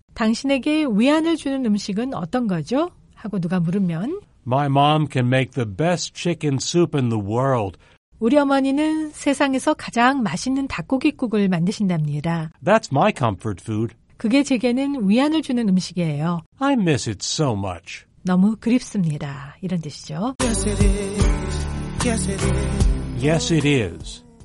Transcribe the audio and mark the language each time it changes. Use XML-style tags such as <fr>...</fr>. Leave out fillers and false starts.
<ko>당신에게 위안을 주는 음식은 어떤 거죠? 하고 누가 물으면</ko> <en>My mom can make the best chicken soup in the world.</en> <ko>우리 어머니는 세상에서 가장 맛있는 닭고기국을 만드신답니다.</ko> <en>That's my comfort food.</en> <ko>그게 제게는 위안을 주는 음식이에요.</ko> <en>I miss it so much.</en> <ko>너무 그립습니다. 이런 뜻이죠.</ko> <en>Yes it is. Yes it is. Yes it is.</en>